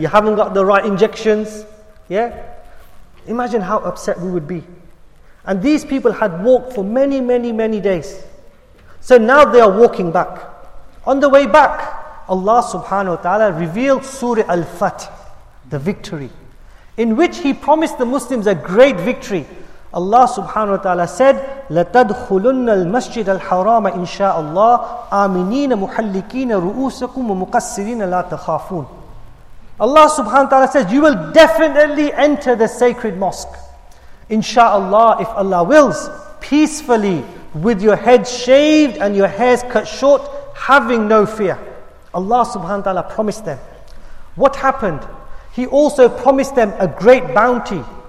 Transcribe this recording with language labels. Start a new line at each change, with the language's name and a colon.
English: You haven't got the right injections. Yeah? Imagine how upset we would be. And these people had walked for many, many, many days. So now they are walking back. On the way back, Allah subhanahu wa ta'ala revealed Surah Al-Fath, the victory, in which He promised the Muslims a great victory. Allah subhanahu wa ta'ala said,
Arabic: لَتَدْخُلُنَّ الْمَسْجِدَ الْحَرَامَ إِنْ شَاءَ اللَّهِ آمِنِينَ مُحَلِّكِينَ رُؤُوسَكُمْ وَمُقَسِّرِينَ لَا تَخَافُونَ.
English: Allah subhanahu wa ta'ala says, you will definitely enter the sacred mosque, inshaAllah, if Allah wills, peacefully, with your head shaved and your hairs cut short, having no fear. Allah subhanahu wa ta'ala promised them. What happened? He also promised them a great bounty.